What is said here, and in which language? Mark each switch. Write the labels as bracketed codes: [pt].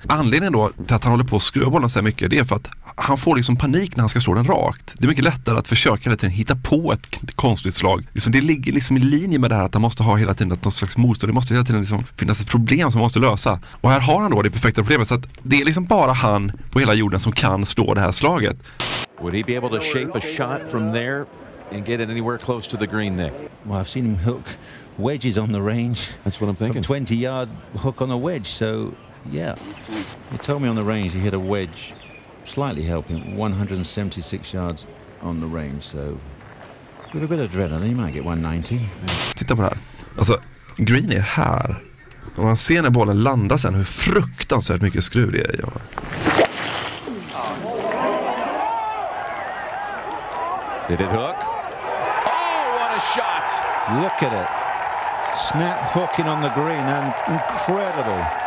[sv] Anledningen då till att han håller på att skruva bollen så här mycket, det är för att han får liksom panik när han ska slå den rakt. Det är mycket lättare att försöka hela tiden hitta på ett konstigt slag. Det ligger liksom i linje med det här att han måste ha hela tiden något slags motstånd. Det måste hela tiden liksom finnas ett problem som han måste lösa. Och här har han då det perfekta problemet, så att det är liksom bara han på hela jorden som kan slå det här slaget. [en] Would he be able to shape a shot from there and get it anywhere close to the green, Nick? Well, I've seen him hook wedges on the range. That's what I'm thinking. A 20-yard hook on a wedge, so, yeah. He told me on the range he hit a wedge, slightly helping, 176 yards on the range, so with a bit of adrenaline, he might get 190. [sv] Titta på det här. Alltså, green är här. Och man ser när bollen landar sen hur fruktansvärt mycket skruv det är i honom. [en] Did it hook? Oh, what a shot! Look at it. Snap hooking on the green and incredible.